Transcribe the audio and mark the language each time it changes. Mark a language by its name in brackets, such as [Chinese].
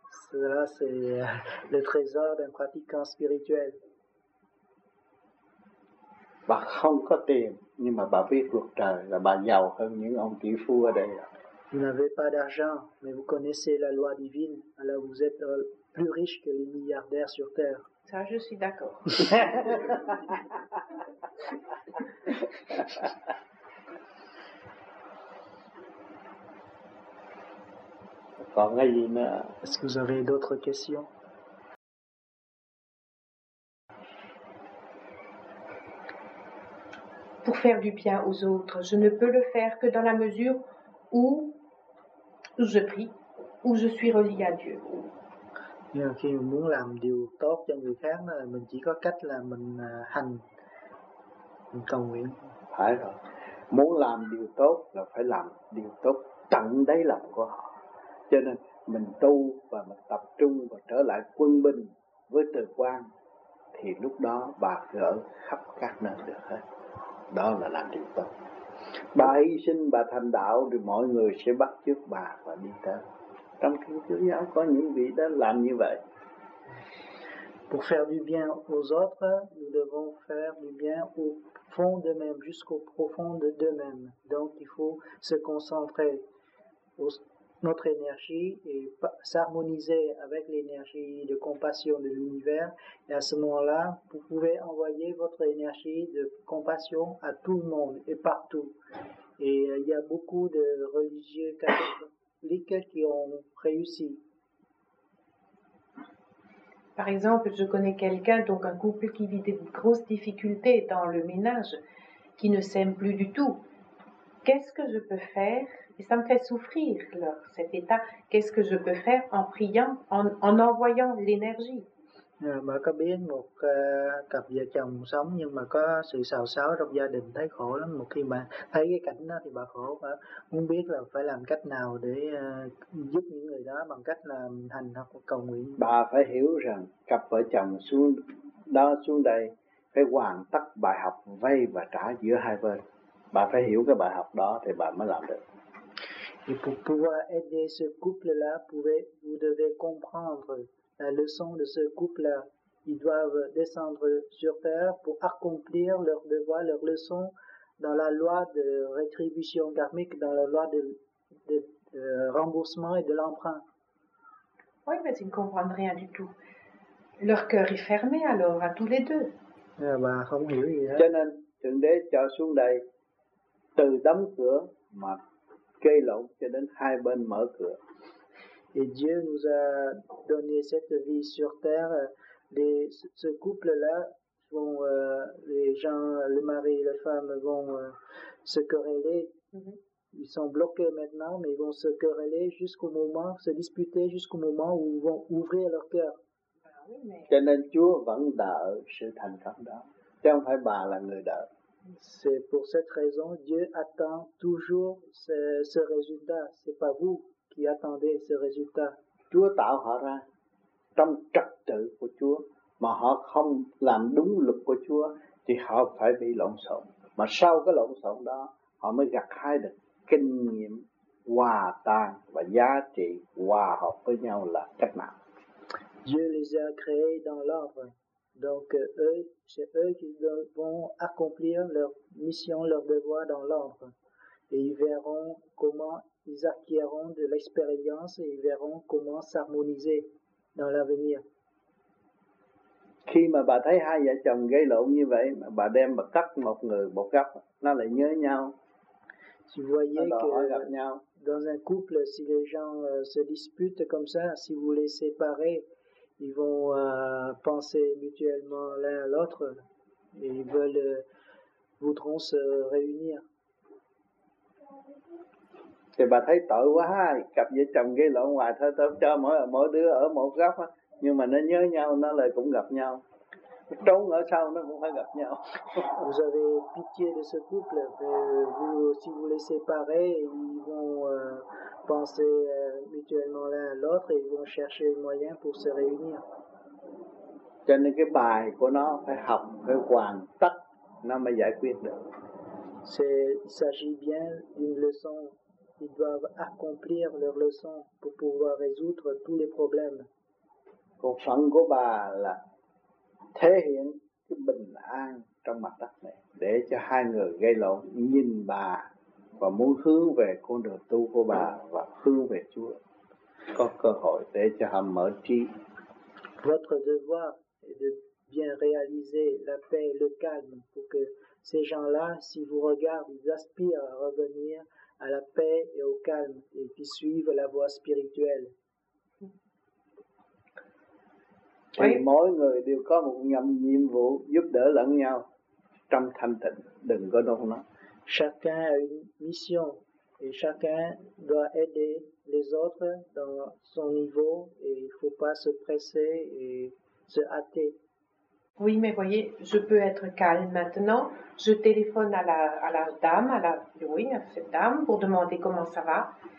[French] Cela, c'est le trésor d'un pratiquant spirituel. [Vietnamese] Bà không có tiền, nhưng mà bà biết luật trời là bà giàu hơn những ông tỷ phú ở đây. [French] Vous n'avez pas d'argent, mais vous connaissez la loi divine, alors vous êtes plus riche que les milliardaires sur Terre. Ça, je suis d'accord. Est-ce que vous avez d'autres questions? Pour faire du bien aux autres, je ne peux le faire que dans la mesure où je prie, où je suis relié à Dieu. [Vietnamese] Nhưng khi muốn làm điều tốt cho người khác là mình chỉ có cách là mình hành, mình cầu nguyện. Phải rồi. Muốn làm điều tốt là phải làm điều tốt tận đáy lòng của họ. Cho nên mình tu và mình tập trung và trở lại quân bình với từ quan, thì lúc đó bà gỡ khắp các nơi được hết. Đó là làm điều tốt. Bà hy sinh, bà thành đạo thì mọi người sẽ bắt chước bà và đi tới. Trong kinh tiểu giáo có những vị đã làm như vậy. [French] Pour faire du bien aux autres, nous devons faire du bien au fond d'eux-mêmes, jusqu'au profond d'eux-mêmes. Donc il faut se concentrer sur notre énergie et s'harmoniser avec l'énergie de compassion de l'univers. Et à ce moment-là, vous pouvez envoyer votre énergie de compassion à tout le monde et partout. Et il y a beaucoup de religieux catholiques qui ont réussi. Par exemple, je connais quelqu'un, donc un couple qui vit des grosses difficultés dans le ménage, qui ne s'aime plus du tout. Qu'est-ce que je peux faire? Et ça me fait souffrir, leur, cet état. Qu'est-ce que je peux faire en priant, en envoyant l'énergie? [Vietnamese] Bà có biết một cặp vợ chồng sống nhưng mà có sự xào xáo trong gia đình, thấy khổ lắm. Một khi mà thấy cái cảnh đó thì bà khổ, bà muốn biết là phải làm cách nào để giúp những người đó bằng cách là hành hoặc cầu nguyện. Bà phải hiểu rằng cặp vợ chồng xuống đó xuống đây phải hoàn tất bài học vay và trả giữa hai bên. Bà phải hiểu cái bài học đó thì bà mới làm được. [French] Et pour pouvoir aider ce couple-là, vous devez comprendre la leçon de ce couple-là. Ils doivent descendre sur terre pour accomplir leur devoir, leur leçon dans la loi de rétribution karmique, dans la loi de remboursement et de l'emprunt. Oui, mais ils ne comprennent rien du tout. Leur cœur est fermé alors à tous les deux. Bah, [Vietnamese] hein? Cho nên, Thượng Đế cho xuống đây từ đóng cửa mà gây lộn cho đến hai bên mở cửa. [French] Et Dieu nous a donné cette vie sur terre. Ce couple-là, vont, les gens, le mari et la femme vont se quereller. Mm-hmm. Ils sont bloqués maintenant, mais ils vont se quereller jusqu'au moment, se disputer jusqu'au moment où ils vont ouvrir leur cœur. [Vietnamese] Cho nên Chúa vẫn đợi sự thành công đó. Chứ không phải bà là người đợi. [French] C'est pour cette raison, Dieu attend toujours ce résultat. Ce n'est pas vous qui attendait ce résultat. [Vietnamese] Chúa tạo họ ra trong trật tự của Chúa, mà họ không làm đúng luật của Chúa thì họ phải bị lộn xộn. Mà sau cái lộn xộn đó, họ mới gặt hái được kinh nghiệm hòa tan và giá trị hòa hợp với nhau là cách nào. [French] Dieu les a créés dans l'ordre, donc eux, c'est eux qui vont accomplir leur mission, leur devoir dans l'ordre, et ils verront comment ils acquériront de l'expérience et ils verront comment s'harmoniser dans l'avenir. [Vietnamese] Khi mà bà thấy hai vợ chồng gây lộn như vậy, bà đem bà cắt một người một góc, nó lại nhớ nhau. [French] Si vous voyez que dans un couple, si les gens se disputent comme ça, si vous les séparez, ils vont penser mutuellement l'un à l'autre et ils voudront se réunir. [Vietnamese] Thì bà thấy tội quá ha, cặp vợ chồng gây lộn hoài thôi, tôi cho mỗi đứa ở một góc á, nhưng mà nó nhớ nhau, nó lại cũng gặp nhau, trốn ở sau nó cũng phải gặp nhau. [French] Vous avez pitié de ce couple, si vous les séparez, ils vont penser mutuellement l'un à l'autre et ils vont chercher un moyen pour se réunir. [Vietnamese] Cho nên cái bài của nó phải học, phải hoàn tất, nó mới giải quyết được. [French] Il s'agit bien d'une leçon. Ils doivent accomplir leur leçon pour pouvoir résoudre tous les problèmes. [Vietnamese] Còn phần của bà là thể hiện cái bình an trong mặt đất này để cho hai người gây lộn nhìn bà và muốn hướng về con đường tu của bà và hướng về Chúa, có cơ hội để cho họ mở trí. [French] Votre devoir est de bien réaliser la paix, le calme, pour que ces gens-là, si vous regardent, ils aspirent à revenir à la paix et au calme, et qui suivent la voie spirituelle. Oui. [Vietnamese] Mỗi người đều có một nhiệm vụ giúp đỡ lẫn nhau trong thanh tịnh, đừng có đâu nó. [French] Chacun a une mission et chacun doit aider les autres dans son niveau et il faut pas se presser et se hâter. Oui, mais voyez, je peux être calme maintenant. Je téléphone à cette dame, pour demander comment ça va.